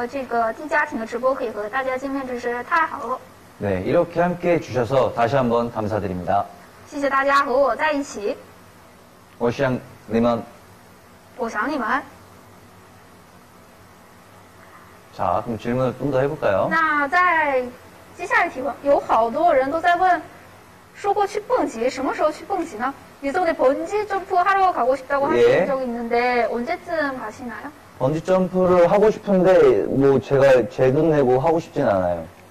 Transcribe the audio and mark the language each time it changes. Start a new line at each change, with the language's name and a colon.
Chinese: 我也是非常想念大家，真的很久没有和大家见面。通过这个D家庭的直播，可以和大家见面，真是太好了。
Korean: 네, 이렇게 함께 해주셔서 다시 한번 감사드립니다.
Chinese: 谢谢大家和我在一起. 我想你们。
Korean: 자, 그럼 질문을 좀 더 해볼까요?
Chinese: 那在接下来提问，有好多人都在问，说过去蹦极，什么时候去蹦极呢？
Korean: 이전에 번지 점프 하러 가고 싶다고 하신 예. 적이 있는데 언제쯤 가시나요? 번지 점프를 하고 싶은데 뭐 제가 제 돈 내고 하고 싶진 않아요.